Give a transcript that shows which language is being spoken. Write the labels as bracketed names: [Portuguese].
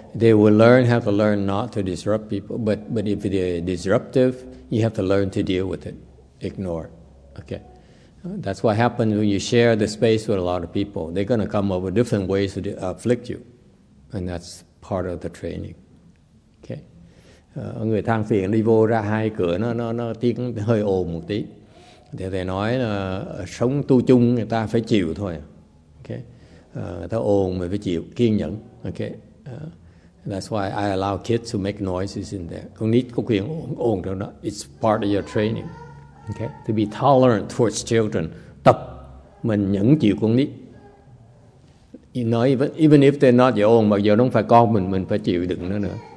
[English] They will learn how to learn not to disrupt people. But if they're disruptive, you have to learn to deal with it. Ignore. Okay. That's what happens when you share the space with a lot of people. They're going to come up with different ways to afflict you. And that's part of the training. Okay. [Vietnamese] Người thang phiền đi vô ra hai cửa nó tiếng hơi ồn một tí. Thì thầy nói là sống tu chung người ta phải chịu thôi. Okay. Người ta ồn mà phải chịu, kiên nhẫn. Okay. [English] That's why I allow kids to make noises in there. [Vietnamese] Con nít có quyền ồn đâu đó. [English] It's part of your training. [Vietnamese] Okay. [English] To be tolerant towards children. [Vietnamese] Tập mình nhẫn chịu con nít. [English] You know, even if they're not your own, [Vietnamese] mặc dù nó không phải con mình phải chịu đựng nó nữa.